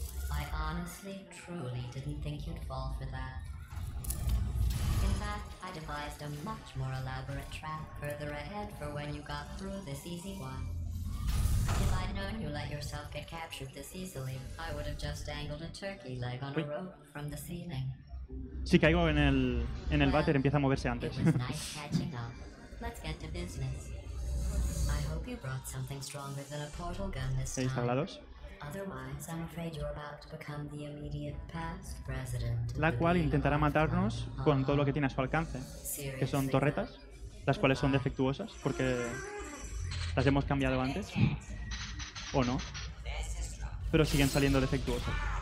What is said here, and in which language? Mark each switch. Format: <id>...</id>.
<en>I honestly, truly didn't think you'd fall for that. In fact, I devised a much more elaborate trap further ahead for when you got through this easy one. If I'd known you let yourself get captured this easily, I would have just dangled a turkey leg on a rope from the ceiling.</en> <es>Si caigo en el váter, empieza a moverse antes.</es> <en>Nice catching up. Let's get to business. I hope you brought something stronger than a portal gun this time. Otherwise, I'm afraid you're about to become the immediate past president.</en> <es>La cual intentará matarnos con todo lo que tiene a su alcance, que son torretas, las cuales son defectuosas porque las hemos cambiado antes, o no, pero siguen saliendo defectuosas.</es>